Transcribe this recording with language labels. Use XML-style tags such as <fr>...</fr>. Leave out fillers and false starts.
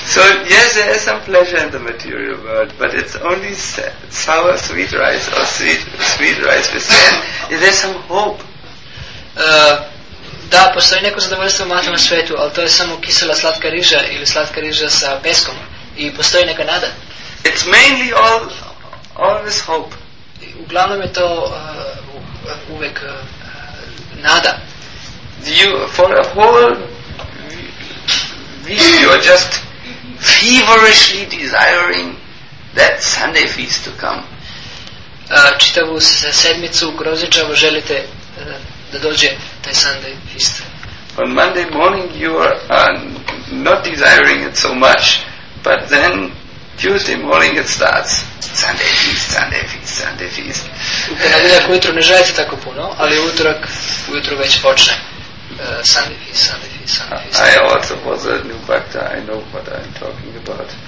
<en>So, yes, there is some pleasure in the material world, but it's only sour sweet rice or sweet rice with sand. Is there some hope?</en> <sr>Da, postoji neko zadovoljstvo u materijalnom svetu, ali to je samo kisela slatka riža ili slatka riža sa peskom. I postoji neka nada.</sr> <en>It's mainly all this hope.</en> <sr>Uglavnom je to uvek nada.</sr> <en>You, for a whole you are just feverishly desiring that Sunday feast to come.</en> <sr>Čitavu sedmicu grozičavo želite da dođe taj Sunday feast.</sr> <en>On Monday morning you are not desiring it so much, but then Tuesday morning it starts. Sunday feast, Sunday feast, Sunday feast.</en> <sr>U ponedeljak ujutro ne želite tako puno, ali ujutro već počne.</sr> <en>Sanifi. I also was a new bhakta, I know what I'm talking about.</en>